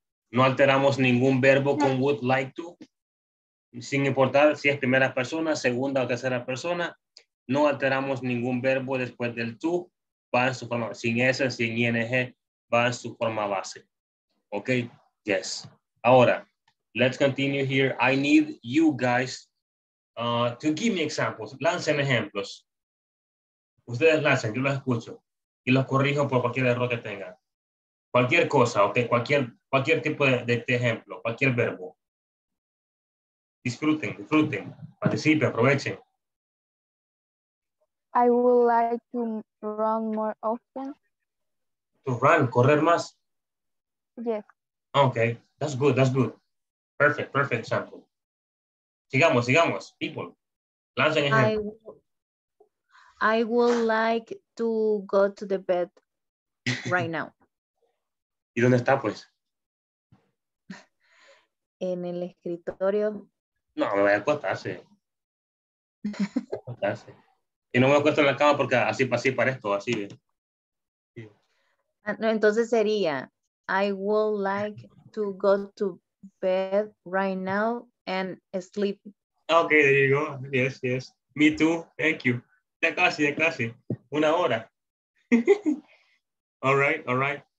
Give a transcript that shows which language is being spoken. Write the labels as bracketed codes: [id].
[es] No alteramos ningún verbo con would like to, sin importar si es primera persona, segunda o tercera persona, no alteramos ningún verbo después del to, va en su forma, sin S, sin ING, va en su forma base. [en] Okay, yes. Ahora, let's continue here. I need you guys to give me examples. [es] Lancen ejemplos. Ustedes lancen, yo los escucho. Y los corrijo por cualquier error que tengan. Cualquier cosa, okay? Cualquier tipo de ejemplo, cualquier verbo. Disfruten, participen, aprovechen. [en] I would like to run more often. To run, [es] correr más. [en] Yes. Okay, that's good. Perfect example. [es] Sigamos. People, lancen ejemplo. [en] I would like to go to the bed right now. [es] ¿Y dónde está, pues? En el escritorio. No, me voy a acostarse. Y no me acuesto en la cama porque así para esto, así. Sí. No, entonces sería, [en] I would like to go to bed right now and sleep. Okay, there you go. Yes. Me too. Thank you. De casi. [es] Una hora. [en] All right.